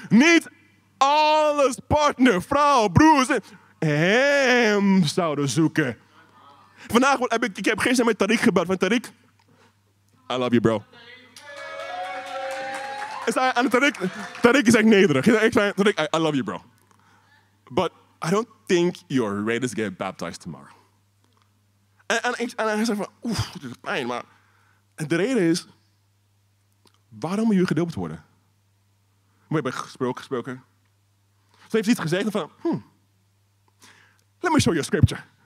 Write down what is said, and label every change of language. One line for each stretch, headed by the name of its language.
Dutch: Niet alles, partner, vrouw, broers, hem zouden zoeken. Vandaag heb ik heb gisteren met Tariq gebeld. Van Tariq,
English: I love you, bro.
Dutch: Ik zei aan Tariq is echt nederig. Ik zei, Tariq,
English: I love you, bro. But I don't think you're ready to get baptized tomorrow.
Dutch: En hij zei van, oeh, dit is pijn. Maar en de reden is, waarom moet je gedoopt worden? We hebben gesproken. Ze heeft iets gezegd van,
English: let me show you a scripture.